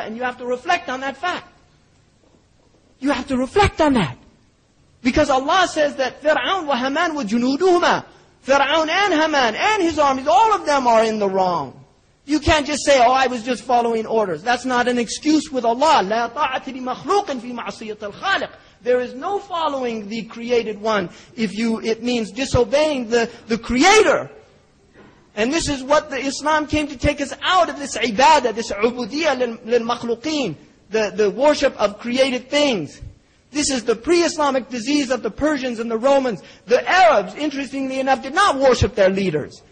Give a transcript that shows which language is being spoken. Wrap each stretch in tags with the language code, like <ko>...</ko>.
<en>And you have to reflect on that fact. You have to reflect on that. Because Allah says that</en> <ar>Fir'aun wa Haman wa junuduhuma.</ar> <en>Fir'aun and Haman and his armies, all of them are in the wrong. You can't just say, oh, I was just following orders. That's not an excuse with Allah.</en> <ar>لا طاعة لمخلوق في معصية الخالق.</ar> <en>There is no following the created one if you, it means disobeying the creator. And this is what the Islam came to take us out of, this ibadah, this ubudiyah للمخلوقين, the worship of created things. This is the pre-Islamic disease of the Persians and the Romans. The Arabs, interestingly enough, did not worship their leaders.</en>